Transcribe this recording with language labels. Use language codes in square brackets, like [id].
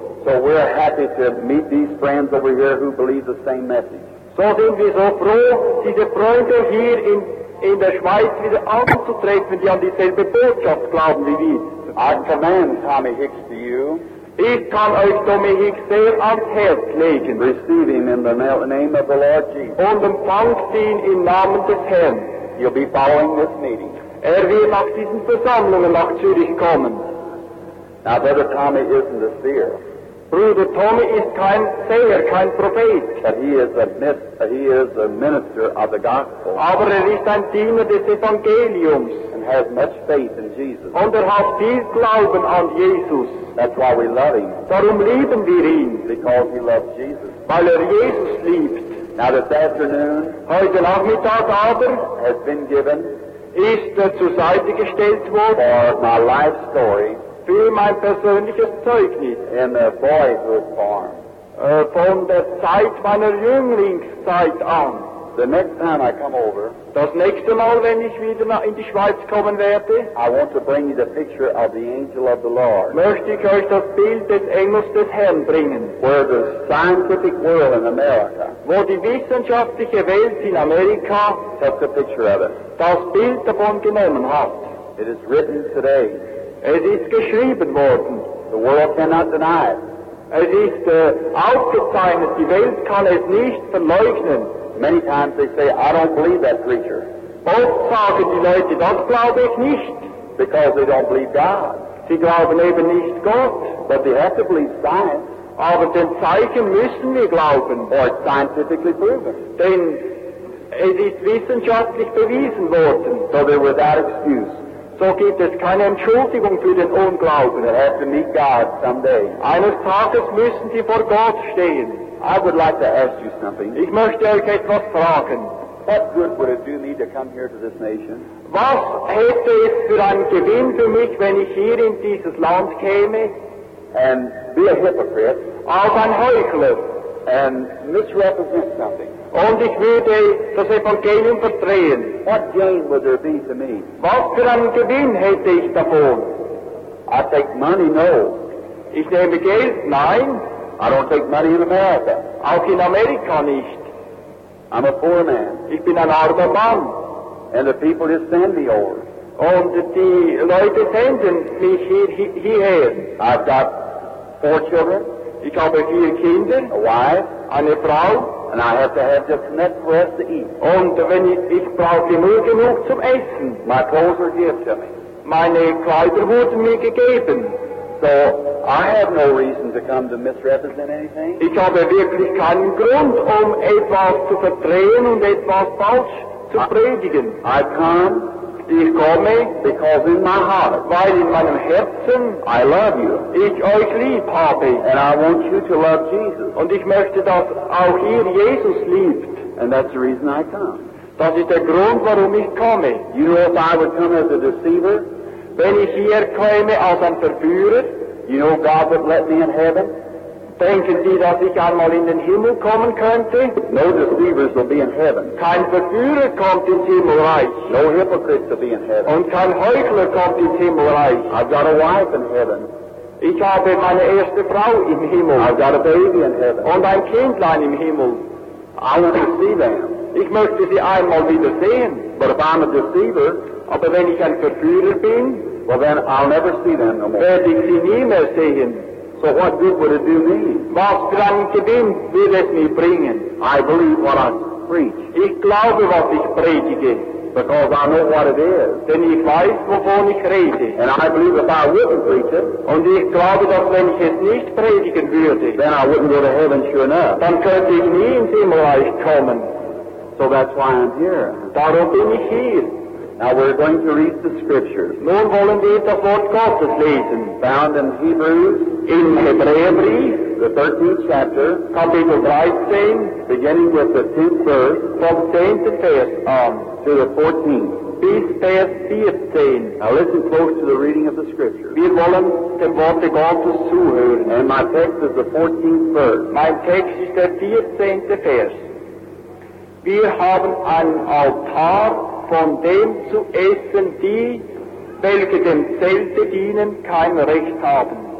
[en] So we're happy to meet these friends over here who believe the same message. [de] So sind wir so froh, diese Freunde hier in der Schweiz wieder anzutreffen, die an dieselbe Botschaft glauben wie wir. [en] I command Tommy Hicks to you. [de] Ich kann euch Tommy Hicks sehr ans Herz legen. [en] Receive him in the name of the Lord Jesus. [de] Und empfangt ihn im Namen des Herrn. [en] You'll be following this meeting. [de] Er wird nach diesen Versammlungen nach Zürich kommen. [en] Now, Brother Tommy isn't a seer. [de] Bruder Tommy ist kein Seher, kein Prophet. [en] But he is a minister of the gospel. [de] Aber er ist ein Diener des Evangeliums. [en] And has much faith in Jesus. [de] Und er hat viel Glauben an Jesus. [en] That's why we love him. [de] Darum lieben wir ihn. [en] Because he loves Jesus. [de] Weil er Jesus liebt. [en] Now this afternoon. [de] Heute Nachmittag aber. [en] Has been given. [de] Ist zur Seite gestellt worden. [en] For my life story. [de] Für mein persönliches Zeugnis. [en] In the boyhood farm. [de] Von der Zeit meiner Jünglingszeit an. [en] The next time I come over. [de] Das nächste Mal, wenn ich wieder in die Schweiz kommen werde. [en] I want to bring you the picture of the angel of the Lord. [de] Möchte ich euch das Bild des Engels des Herrn bringen. [en] Where the scientific world in America. [de] Wo die wissenschaftliche Welt in Amerika. [en] Took the picture of it. [de] Das Bild davon genommen hat. [en] It is written today. [de] Es ist geschrieben worden. [en] The world cannot deny it. [de] Es ist aufgezeichnet. Die Welt kann es nicht verleugnen. [en] Many times they say, I don't believe that creature. [de] Oft sagen die Leute, das glaube ich nicht. [en] Because they don't believe God. [de] Sie glauben eben nicht Gott. [en] But they have to believe science. [de] Aber den Zeichen müssen wir glauben. [en] Or it's scientifically proven. [de] Denn es ist wissenschaftlich bewiesen worden. [en] So they were without excuse. [de] So gibt es keine Entschuldigung für den Unglauben. [en] They have to meet God someday. [de] Eines Tages müssen sie vor Gott stehen. [en] I would like to ask you something. [de] Ich möchte euch etwas fragen. [en] What good would it do me to come here to this nation? [de] Was hätte es für ein Gewinn für mich, wenn ich hier in dieses Land käme? [en] And be a hypocrite. [de] Auch ein Heuchler. [en] And misrepresent something. [de] Und ich würde das Evangelium verdrehen. [en] What gain would there be to me? [de] Was für ein Gewinn hätte ich davon? [en] I take money, no. [de] Ich nehme Geld, nein. [en] I don't take money in America. [de] Auch in Amerika nicht. [en] I'm a poor man. [de] Ich bin ein armer Mann. [en] And the people just send me over. [de] Und die Leute senden mich hierher. [en] I've got four children. [de] Ich habe vier Kinder. [en] A wife. [de] Eine Frau. [en] And I have to have just enough for us to eat. [de] Und wenn ich brauche nur genug zum Essen. [en] My clothes are given to me. [de] Meine Kleider wurden mir gegeben. [en] So I have no reason to come to misrepresent anything. [de] Ich habe wirklich keinen Grund, etwas zu verdrehen und etwas falsch zu predigen. [en] I come. [de] Ich komme. [en] Because in my heart. [de] Weil in meinem Herzen. [en] I love you. [de] Ich euch lieb habe. [en] And I want you to love Jesus. [de] Und ich möchte, dass auch ihr Jesus liebt. [en] And that's the reason I come. [de] Das ist der Grund, warum ich komme. [en] You know if I would come as a deceiver? [de] Wenn ich hier käme als ein Verführer? [en] You know God would let me in heaven? [de] Denken Sie, dass ich einmal in den Himmel kommen könnte? [en] No deceivers will be in heaven. [de] Kein Verführer kommt ins Himmelreich. [en] No hypocrites will be in heaven. [de] Und kein Heuchler kommt ins Himmelreich. [en] I've got a wife in heaven. [de] Ich habe meine erste Frau im Himmel. [en] I've got a baby in heaven. [de] Und ein Kindlein im Himmel. [en] I want to see them. [de] Ich möchte sie einmal wieder sehen. [en] But if I'm a deceiver, [de] aber wenn ich ein Verführer bin, [en] well then I'll never see them no more. [de] Werde ich sie nie mehr sehen. [en] So what good would it do me? [de] Was für ein Gewinn würde es mir bringen? [en] I believe what I preach. [de] Ich glaube, was ich predige. [en] Because I know what it is. [de] Denn ich weiß, wovon ich rede. [en] And I believe if I wouldn't preach it. [de] Und ich glaube, dass wenn ich es nicht predigen würde, [en] then I wouldn't go to heaven sure enough. [de] Dann könnte ich nie ins Himmelreich kommen. [en] So that's why I'm here. [de] Darum bin ich hier. [en] Now we're going to read the scriptures. [de] Nun wollen wir das Wort Gottes lesen. [en] Found in Hebrews. [de] In Hebräerbrief. [en] The 13th chapter. [de] Kapitel 13. [en] Beginning with the 10th verse. [de] Vom 10. Vers. [en] To the 14th. [de] Bis Vers 14. [en] Now listen close to the reading of the scriptures. [de] Wir wollen dem Wort Gottes zuhören. [en] And my text is the 14th verse. [de] Mein Text ist der 14. Vers. Wir haben ein Altar, von dem zu essen, die, welche dem Zelte dienen, kein Recht haben.